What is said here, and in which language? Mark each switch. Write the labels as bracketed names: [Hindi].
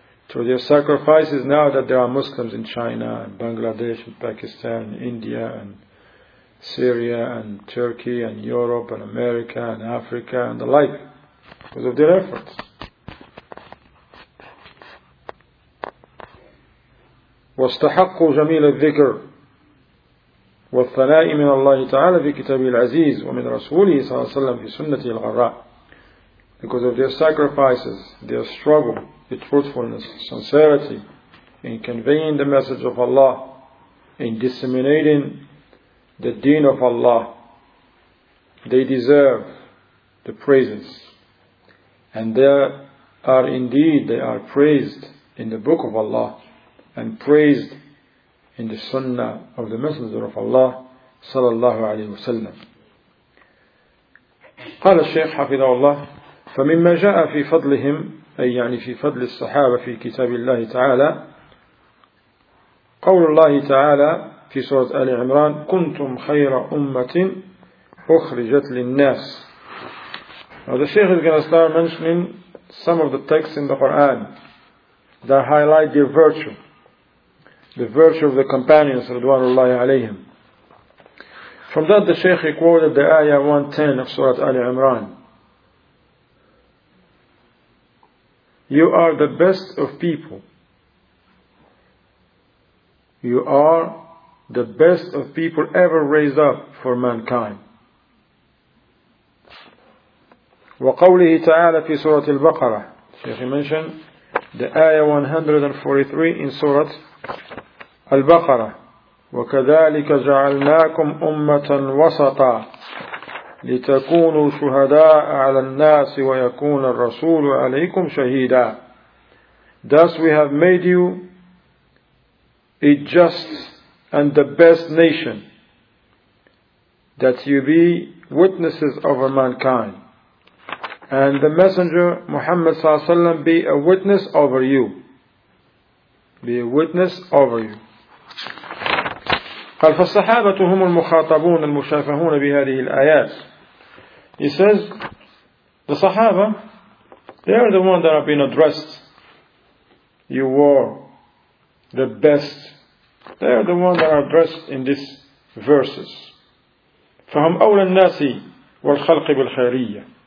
[English] Through their sacrifices, now that there are Muslims in China, and Bangladesh, and Pakistan, and India, and Syria, and Turkey, and Europe, and America, and Africa, and the like. Because of their efforts. [Arabic] واستحقوا جميل الذكر والثناء من الله تعالى في كتابه العزيز ومن رسوله صلى الله عليه وسلم في سنته الغراء. [English] Because of their sacrifices, their struggle, their truthfulness, sincerity in conveying the message of Allah, in disseminating the deen of Allah, they deserve the praises. And they are praised in the Book of Allah and praised in the Sunnah of the Messenger of Allah sallallahu alayhi wa sallam. [Arabic] قال الشيخ حفظه الله فمما جاء في فضلهم أي يعني في فضل الصحابة في كتاب الله تعالى قول الله تعالى في سورة آل عمران كنتم خير أمة أخرجت للناس. [English] Now the Shaykh is going to start mentioning some of the texts in the Quran that highlight their virtue, the virtue of the companions, Ridwanullahi alayhim. From that the Shaykh quoted the ayah 110 of Surah Ali Imran. You are the best of people. You are the best of people ever raised up for mankind. [Arabic] وقوله تعالى في سورة البقرة. [English] Shaykh mentioned the ayah 143 in Surah البقرة. [Arabic] وكذلك جعلناكم أمة وسطا لتكونوا شهداء على الناس ويكون الرسول عليكم شهيدا. [English] Thus we have made you a just and the best nation, that you be witnesses over mankind, and the Messenger Muhammad sallallahu alaihi wasallam be a witness over you. Be a witness over you. [Arabic] قال فالصحابة هم المخاطبون المشافهون بهذه الآيات. [English] He says, the Sahaba, they are the ones that have been addressed. You were the best. They are the ones that are addressed in these verses. [Arabic] فهم أولى الناس والخلق بالخيرية.